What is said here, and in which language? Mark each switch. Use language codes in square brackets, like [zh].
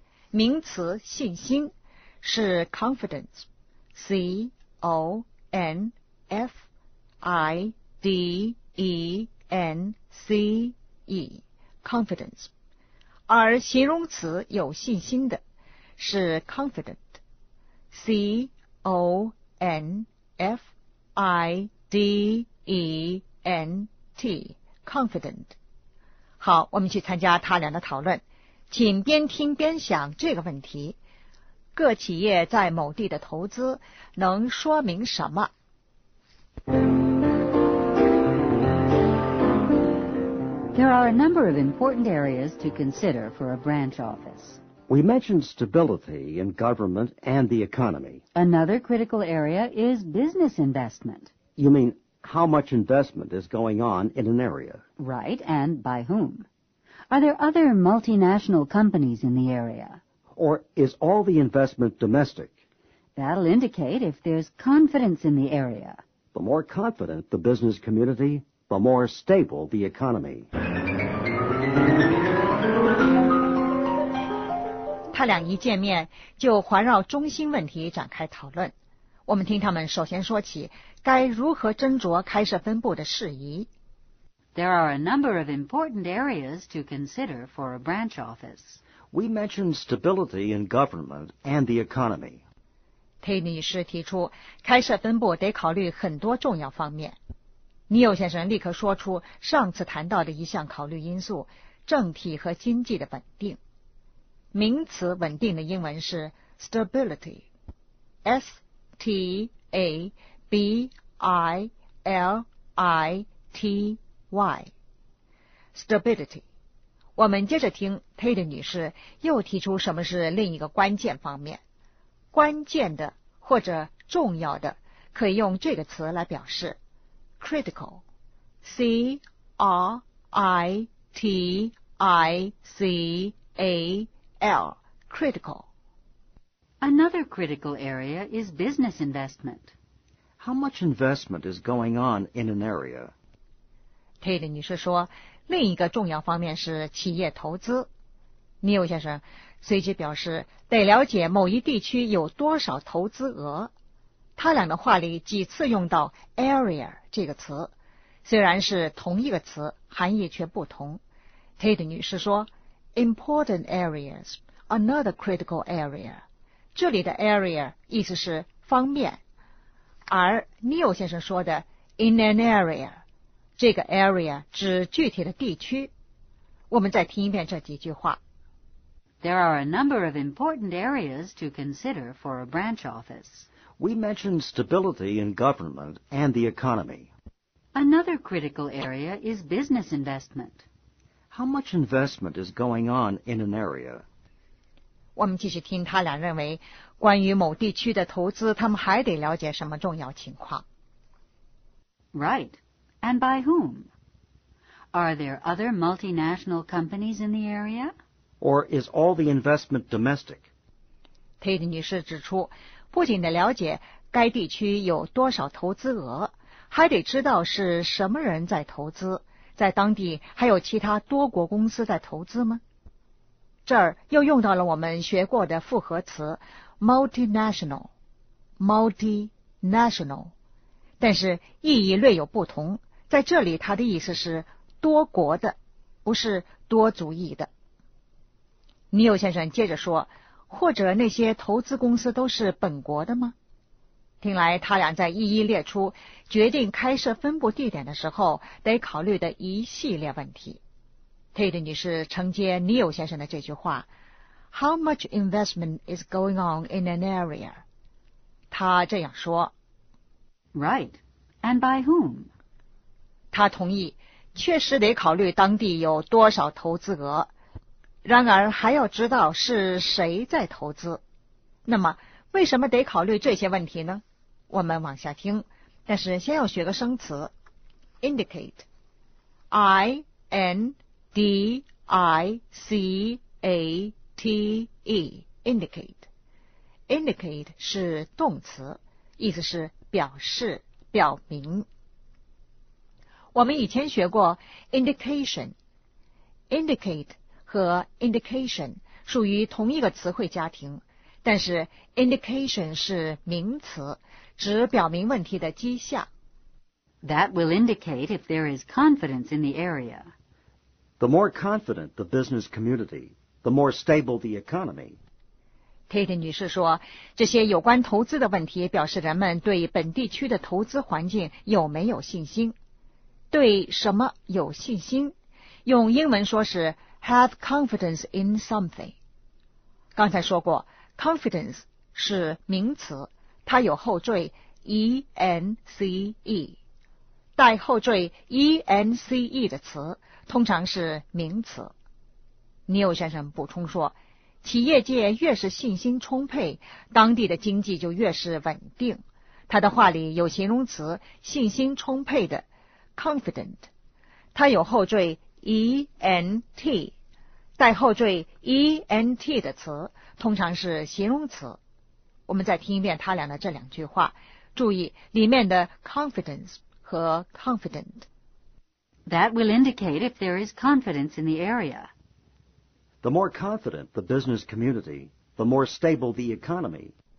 [zh] 名词信心是 confidence， C-O-N-F-I-D-E-N-C-E confidence， 而形容词有信心的是 confident， C-O-N-F-I-D-E-N-T confident。好，我们去参加他俩的讨论，请边听边想这个问题：各企业在某地的投资能说明什么？ [en] There are a number of important areas to consider for a branch office. We mentioned stability in government and the economy. Another critical area is business investment. You mean how much investment is going on in an area? Right, and by whom? Are there other multinational companies in the area? Or is all the investment domestic? That'll indicate if there's confidence in the area. The more confident the business community, the more stable the economy. [zh] 他俩一见面就环绕中心问题展开讨论。我们听他们首先说起该如何斟酌开设分部的事宜。 [en] There are a number of important areas to consider for a branch office. We mentioned stability in government and the economy. [zh] Tay 女士提出，开设分部得考虑很多重要方面。 Neil 先生立刻说出上次谈到的一项考虑因素，政体和经济的稳定。名词稳定的英文是 stability， S-T-A-B-I-L-I-T-Y stability。我们接着听 Tate 女士又提出什么是另一个关键方面。关键的或者重要的可以用这个词来表示，critical， C-R-I-T-I-C-A-L critical。 [en] Another critical area is business investment. How much investment is going on in an area? [zh] Tate 女士说，另一个重要方面是企业投资。 Neil 先生随即表示，得了解某一地区有多少投资额。他俩的话里几次用到 area 这个词，虽然是同一个词，含义却不同。 Tate 女士说， [en] important areas， another critical area， [zh] 这里的 area 意思是方面，而 Neil 先生说的 [en] in an area， [zh] 这个 area 指具体的地区。我们再听一遍这几句话。 [en] There are a number of important areas to consider for a branch office. We mentioned stability in government and the economy. Another critical area is business investment. How much investment is going on in an area? [zh] 我们继续听他俩认为关于某地区的投资他们还得了解什么重要情况。 [en] Right. And by whom? Are there other multinational companies in the area? Or is all the investment domestic? [zh] Tate 女士指出，不仅得了解该地区有多少投资额，还得知道是什么人在投资，在当地还有其他多国公司在投资吗？这儿又用到了我们学过的复合词 multinational， multinational，但是意义略有不同。在这里它的意思是多国的，不是多族裔的。尼欧先生接着说，或者那些投资公司都是本国的吗？听来他俩在一一列出决定开设分部地点的时候得考虑的一系列问题。 Tate 女士承接尼欧先生的这句话， [en] How much investment is going on in an area? [zh] 他这样说， [en] Right, and by whom? [zh] 他同意确实得考虑当地有多少投资额，然而还要知道是谁在投资。那么为什么得考虑这些问题呢？我们往下听，但是先要学个生词 indicate， I-N-D-I-C-A-T-E indicate， indicate 是动词，意思是表示表明。我们以前学过 indication， indicate 和 indication 属于同一个词汇家庭，但是 indication 是名词，指表明问题的迹象。 [en] That will indicate if there is confidence in the area. The more confident the business community, the more stable the economy. [zh] Tate 女士说，这些有关投资的问题表示人们对本地区的投资环境有没有信心。对什么有信心？用英文说是 [en] have confidence in something。 [zh] 刚才说过Confidence 是名词，它有后缀 ence， 带后缀 ence 的词通常是名词。尼欧先生补充说，企业界越是信心充沛，当地的经济就越是稳定。他的话里有形容词信心充沛的 confident， 它有后缀 ent， 带后缀 ent 的词通常是形容词。我们再听一遍他俩的这两句话，注意里面的 confidence 和 confident。 [en] That will indicate if there is confidence in the area. The more confident the business community, the more stable the economy.